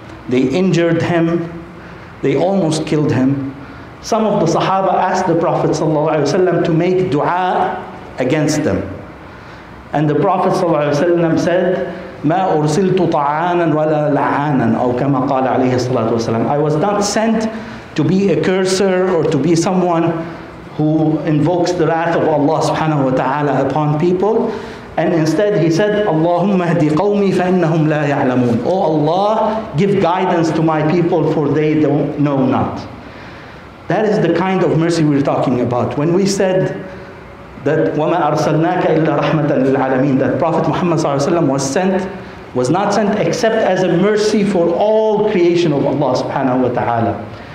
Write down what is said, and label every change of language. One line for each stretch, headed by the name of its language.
English: They injured him. They almost killed him. Some of the Sahaba asked the Prophet ﷺ to make dua against them. And the Prophet ﷺ said,
Arabic: ما أرسلت طعانا ولا لعانا أو كما قال عليه الصلاة والسلام.
English: I was not sent to be a cursor or to be someone who invokes the wrath of Allah subhanahu wa ta'ala upon people. And instead he said,
Arabic: اللهم اهدي قومي فإنهم لا يعلمون.
English: Oh Allah, give guidance to my people for they don't know not. That is the kind of mercy we're talking about. When we said that
Arabic: وما أرسلناك إلا رحمة للعالمين,
English: that Prophet Muhammad صلى الله عليه وسلم was not sent except as a mercy for all creation of Allah subhanahu wa ta'ala.